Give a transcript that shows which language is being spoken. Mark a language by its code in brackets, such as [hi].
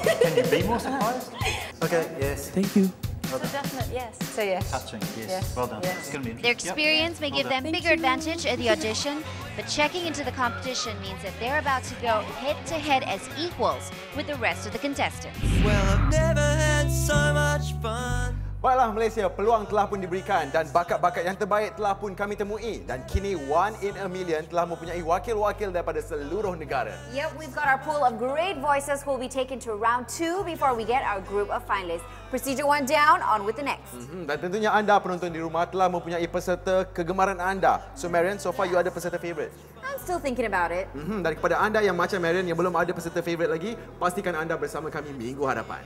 [en] Can you be more surprised? Okay, yes. Thank you. Well, so definite yes. Say yes. Touching, yes. Yes. Well done. Yes. It's going to be their experience may give them bigger advantage at the audition, but checking into the competition means that they're about to go head-to-head as equals with the rest of the contestants. Well, I've never had so much fun. [ms] Baiklah Malaysia, peluang telah pun diberikan dan bakat-bakat yang terbaik telah pun kami temui dan kini One in a Million telah mempunyai wakil-wakil daripada seluruh negara. [en] Yep, we've got our pool of great voices who will be taken to round 2 before we get our group of finalists. Procedure 1 down, on with the next. [ms] Dan tentunya anda penonton di rumah telah mempunyai peserta kegemaran anda. [en] So Marion, so far you are the peserta favourite. I'm still thinking about it. [ms] Dan kepada anda yang macam Marion yang belum ada peserta favourite lagi, pastikan anda bersama kami minggu hadapan.